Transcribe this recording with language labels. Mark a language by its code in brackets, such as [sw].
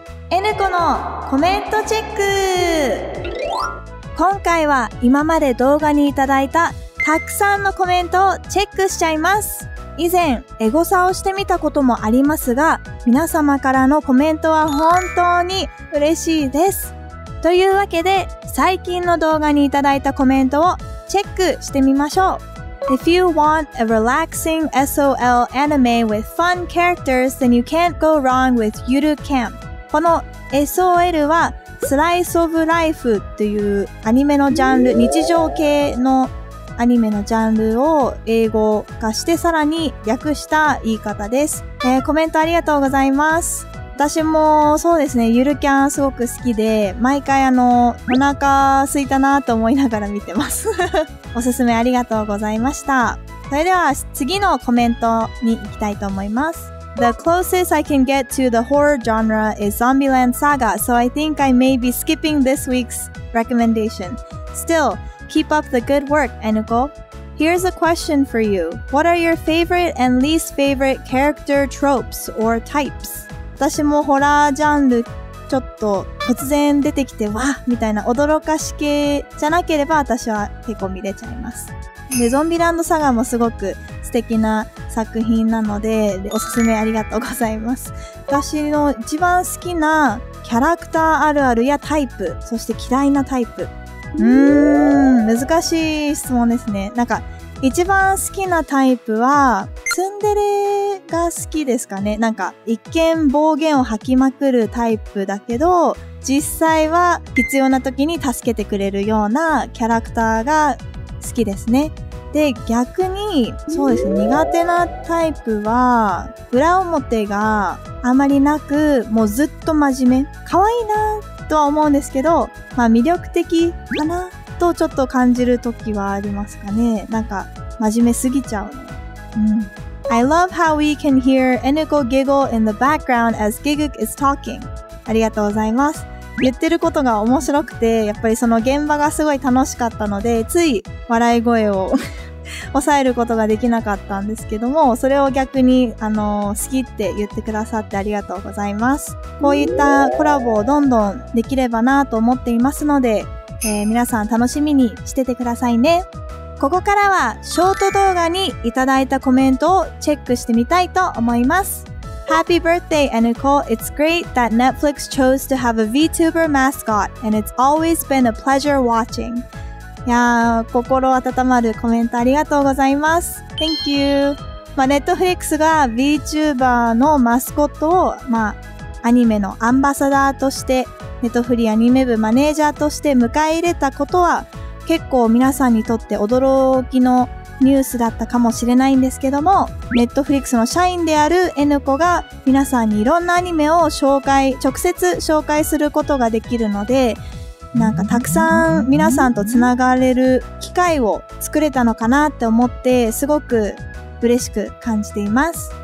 [ja] エネコのコメントチェック。今回は今まで動画にいただいたたくさんのコメントをチェックしちゃいます。以前エゴサをしてみたこともありますが、皆様からのコメントは本当に嬉しいです。というわけで最近の動画にいただいたコメントをチェックしてみましょう。 [en] If you want a relaxing SOL anime with fun characters, then you can't go wrong with Yuru Camp. [ja] この SOL はスライスオブライフというアニメのジャンル、日常系のアニメのジャンルを英語化してさらに訳した言い方です。コメントありがとうございます。私もそうですね、ゆるキャンすごく好きで、毎回お腹空いたなと思いながら見てますおすすめありがとうございました。それでは次のコメントに行きたいと思います。 [en] The closest I can get to the horror genre is Zombieland Saga, so I think I may be skipping this week's recommendation. Still, keep up the good work, Eneko. Here's a question for you. What are your favorite and least favorite character tropes or types? [ja] 私もホラージャンルちょっと突然出てきてわーみたいな驚かし系じゃなければ私は結構見れちゃいます。でゾンビランドサガもすごく素敵な作品なのでおすすめありがとうございます。私の一番好きなキャラクターあるあるやタイプ、そして嫌いなタイプ、難しい質問ですね。なんか一番好きなタイプはツンデレが好きですかね。なんか一見暴言を吐きまくるタイプだけど、実際は必要な時に助けてくれるようなキャラクターが好きですね。で逆にそうですね、苦手なタイプは裏表があまりなく、もうずっと真面目、可愛いなとは思うんですけど、まあ魅力的かなとちょっと感じる時はありますかね。なんか真面目すぎちゃう、ね、 [en] I love how we can hear Eneko giggle in the background as Giguk is talking. [ja] ありがとうございます。言ってることが面白くて、やっぱりその現場がすごい楽しかったので、つい笑い声を抑えることができなかったんですけども、それを逆に好きって言ってくださってありがとうございます。こういったコラボをどんどんできればなと思っていますので、皆さん楽しみにしててくださいね。ここからはショート動画にいただいたコメントをチェックしてみたいと思います。 [en] Happy birthday, Eneko. It's great that Netflix chose to have a VTuber mascot, and it's always been a pleasure watching. [ja] いやー、心温まるコメントありがとうございます。 [en] Thank you. [ja] まあ、Netflix が VTuber のマスコットを、まあ、アニメのアンバサダーとしてネットフリーアニメ部マネージャーとして迎え入れたことは結構皆さんにとって驚きのニュースだったかもしれないんですけども、ネットフリックスの社員である N 子が皆さんにいろんなアニメを紹介、直接紹介することができるので、なんかたくさん皆さんとつながれる機会を作れたのかなって思って、すごく嬉しく感じています。